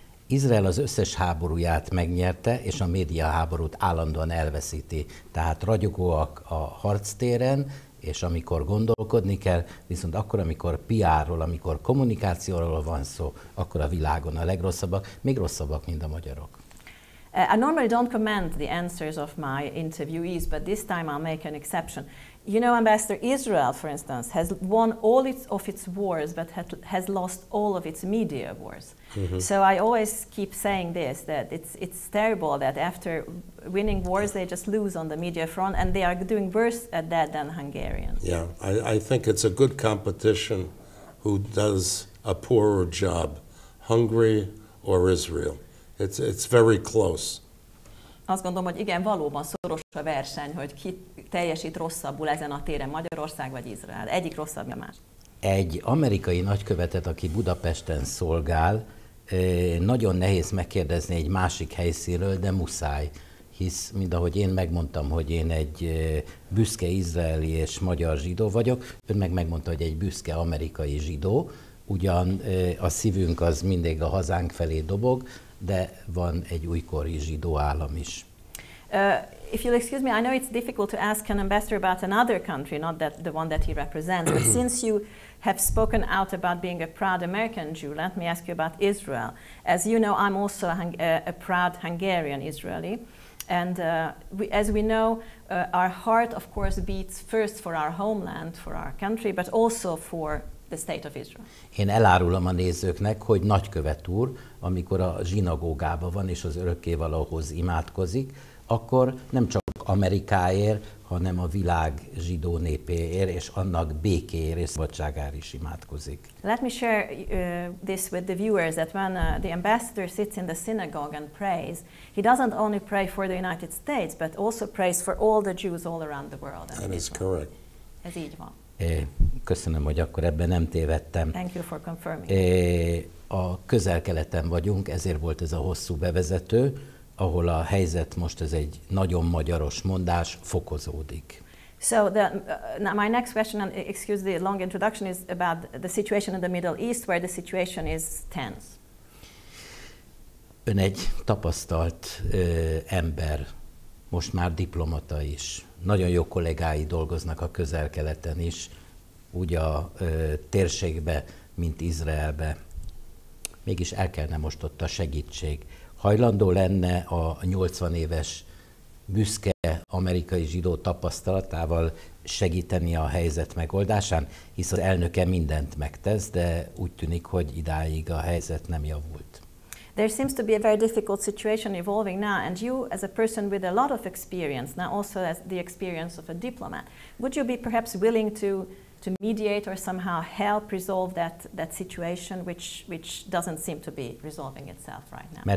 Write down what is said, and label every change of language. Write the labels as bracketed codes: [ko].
[hu] Izrael az összes háborúját megnyerte, és a média háborút állandóan elveszíti. Tehát ragyogóak a harctéren, és amikor gondolkodni kell, viszont akkor, amikor PR-ról, amikor kommunikációról van szó, akkor a világon a legrosszabbak, még rosszabbak, mint a magyarok. [en] I normally don't comment the answers of my interviewees, but this time I'll make an exception. You know, Ambassador, Israel, for instance, has won all of its wars, but has lost all of its media wars. Mm-hmm. So I always keep saying this, that it's terrible that after winning wars, they just lose on the media front, and they are doing worse at that than Hungarians. Yeah, I think it's a good competition who does a poorer job, Hungary or Israel. It's very close. [hu] Azt gondolom, hogy igen, valóban szoros a verseny, hogy ki teljesít rosszabbul ezen a téren, Magyarország vagy Izrael. Egyik rosszabb, a más. Egy amerikai nagykövetet, aki Budapesten szolgál, nagyon nehéz megkérdezni egy másik helyszínről, de muszáj. Hisz, mint ahogy én megmondtam, hogy én egy büszke izraeli és magyar zsidó vagyok, ő meg megmondta, hogy egy büszke amerikai zsidó, ugyan a szívünk az mindig a hazánk felé dobog, de van egy újkori zsidó állam is. [en] If you'll excuse me, I know it's difficult to ask an ambassador about another country, not that the one that he represents. But since you have spoken out about being a proud American Jew, let me ask you about Israel. As you know, I'm also a proud Hungarian Israeli. And we know, our heart, of course, beats first for our homeland, for our country, but also for the state of Israel. [hu] Én elárulom a nézőknek, hogy nagykövet úr, amikor a zsinagógában van és az örökkévalóhoz imádkozik, akkor nem csak Amerikáért, hanem a világ zsidó népéért és annak békéért és szabadságáért is imádkozik. [en] Let me share this with the viewers that when the ambassador sits in the synagogue and prays, he doesn't only pray for the United States, but also prays for all the Jews all around the world. That is correct. [hu] Ez így van. Köszönöm, hogy akkor ebben nem tévedtem. [en] Thank you for confirming. [hu] A Közel-Keleten vagyunk, ezért volt ez a hosszú bevezető, ahol a helyzet most, ez egy nagyon magyaros mondás, fokozódik. [en] So the now my next question, and excuse the long introduction, is about the situation in the Middle East, where the situation is tense. [hu] Ön egy tapasztalt ember, most már diplomata is. Nagyon jó kollégái dolgoznak a Közel-Keleten is, úgy a térségbe, mint Izraelbe. Mégis el kellene most ott a segítség. Hajlandó lenne a 80 éves büszke amerikai zsidó tapasztalatával segíteni a helyzet megoldásán, hisz az elnöke mindent megtesz, de úgy tűnik, hogy idáig a helyzet nem javult. [en] There seems to be a very difficult situation evolving now, and you, as a person with a lot of experience, now also as the experience of a diplomat, would you be perhaps willing to mediate or somehow help resolve that situation, which doesn't seem to be resolving itself right now?